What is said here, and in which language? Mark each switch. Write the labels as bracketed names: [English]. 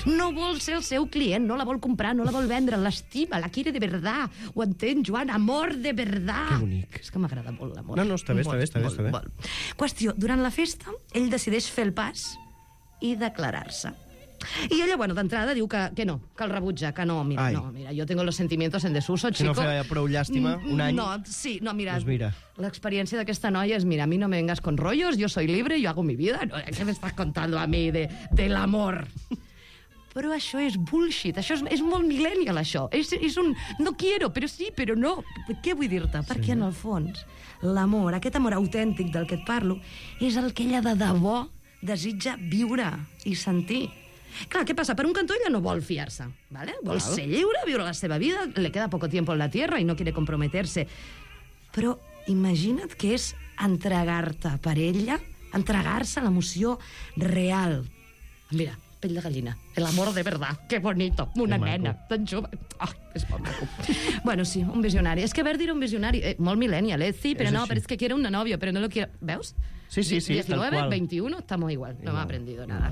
[Catalan] No vol ser el seu client, no la vol comprar, no la vol vendre, l'estima, [Spanish] la quiere de verdad. [Catalan] Ho entén, Joan? [Spanish] Amor de verdad. [Catalan] Que bonic. És que m'agrada molt l'amor. No, està bé. Qüestió, durant la festa, ell decideix fer el pas i declarar-se. I ella, bueno, d'entrada diu que no, que el rebutja, que no, mira, ai. [Spanish] No, mira, yo tengo los sentimientos en desuso, chico. [Catalan] Que no feia prou llàstima, un any. No, mira, [Spanish] pues mira. [Catalan] L'experiència d'aquesta noia és, mira, [Spanish] a mi no me vengas con rollos, yo soy libre, yo hago mi vida, no, ¿qué me estás contando a mí [Catalan] de l'amor? Però això és bullshit, això és molt millennial, això. És un [Spanish] no quiero, pero sí, pero no. [Catalan] Què vull dir-te? Sí. Perquè, en el fons, l'amor, aquest amor autèntic del que et parlo, és el que ella de debò desitja viure i sentir. Clar, què passa? Per un cantó ella no vol fiar-se, ¿vale? Vol ser lliure, viure la seva vida, [Spanish] le queda poco tiempo en la tierra y no quiere comprometerse. [Catalan] Però imagina't que és entregar-te per ella, entregar-se a l'emoció real. Mira, pell de gallina, [Spanish] el amor de verdad, qué bonito, [Catalan] una nena, tan jove. Oh, és molt maco. Bueno, sí, un visionari. És que Verdi era un visionari, molt millennial, ¿eh? Sí, però no, però és que [Spanish] quiere una novia, [Catalan] però [Spanish] no lo quiere... [Catalan] Veus? Sí, 19, [Spanish] tal cual. 21, estamos igual, no m'ha aprendido nada.